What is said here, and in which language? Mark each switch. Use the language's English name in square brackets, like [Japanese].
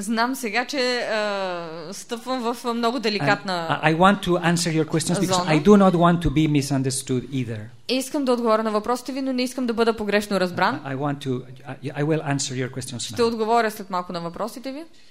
[Bulgarian] Знам сега, че стъпвам в много деликатна зона. [English] I want to answer your questions because I do not want to be misunderstood either. [Bulgarian] Искам да отговоря на въпросите ви, но не искам да бъда погрешно разбран. [English] I will answer your questions. [Bulgarian] Ще отговоря след малко на въпросите ви.